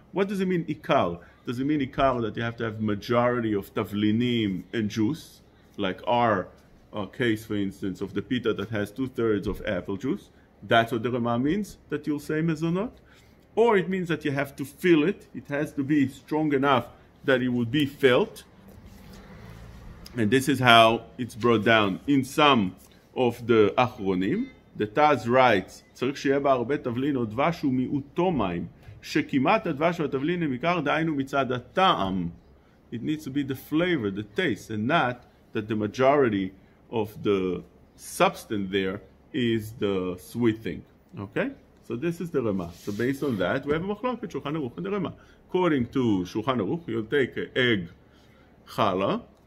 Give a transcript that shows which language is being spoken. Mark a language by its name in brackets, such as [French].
[English] What does it mean ikar? Does it mean ikar that you have to have majority of tavlinim and juice, like our case, for instance, of the pita that has 2/3 of apple juice? That's what the Rama means, that you'll say mezonot? or it means that you have to feel it. It has to be strong enough that it would be felt. And this is how it's brought down in some of the Achronim. The Taz writes, [Hebrew] צריך שיהיה בה הרבה תבלין או דבש ומיעוטו מים, שכמעט הדבש והתבלין הם עיקר דהיינו מצד הטעם. [English] It needs to be the flavor, the taste, and not that the majority of the substance there is the sweet thing. Okay? So this is the Rema. So based on that, we have a machlok at Shulchan Aruch and the Rema. According to Shulchan Aruch, you'll take an egg challah.